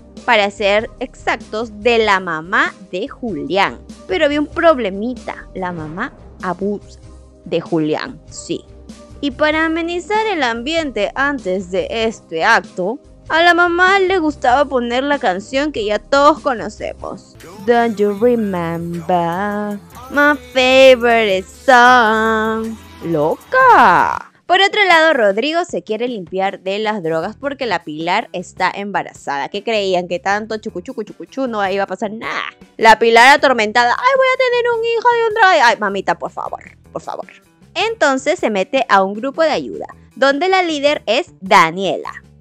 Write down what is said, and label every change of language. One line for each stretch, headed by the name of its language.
Spanish: Para ser exactos, de la mamá de Julián. Pero había un problemita, la mamá abusa de Julián, sí. Y para amenizar el ambiente antes de este acto, a la mamá le gustaba poner la canción que ya todos conocemos.
English: Don't you remember my favorite song?
Spanish: ¡Loca! Por otro lado, Rodrigo se quiere limpiar de las drogas porque la Pilar está embarazada. ¿Qué creían? ¿Que tanto chucuchu no iba a pasar nada? La Pilar atormentada. ¡Ay, voy a tener un hijo de un droga! ¡Ay, mamita, por favor! Entonces se mete a un grupo de ayuda, donde la líder es Daniela.